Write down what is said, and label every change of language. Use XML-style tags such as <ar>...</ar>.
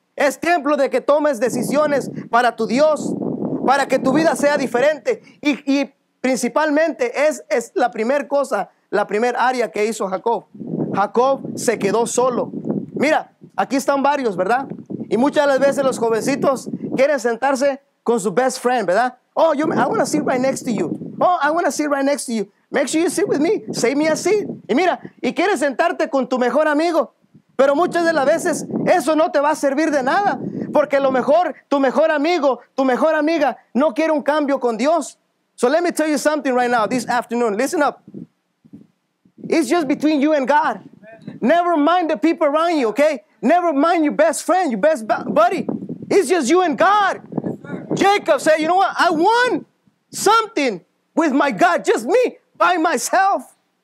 <es>Es tiempo de que tomes decisiones para tu Dios, para que tu vida sea diferente. Y principalmente es la primera cosa, la primera área que hizo Jacob. Jacob se quedó solo. Mira, aquí están varios, ¿verdad? Y muchas de las veces los jovencitos quieren sentarse con su</es> <en>best friend,</en> <es>¿verdad?</es> <en>Oh, I want to sit right next to you. Oh, I want to sit right next to you. Make sure you sit with me. Save me a seat.</en> <es>Y mira, y quieres sentarte con tu mejor amigo. Pero muchas de las veces eso no te va a servir de nada. Porque lo mejor, tu mejor amigo, tu mejor amiga, no quiere un cambio con Dios.</es> <en>So let me tell you something right now, this afternoon. Listen up. It's just between you and God. Never mind the people around you, okay? Never mind your best friend, your best buddy. It's just you and God. Jacob said, you know what? I won something with my God, just me, by myself.</en>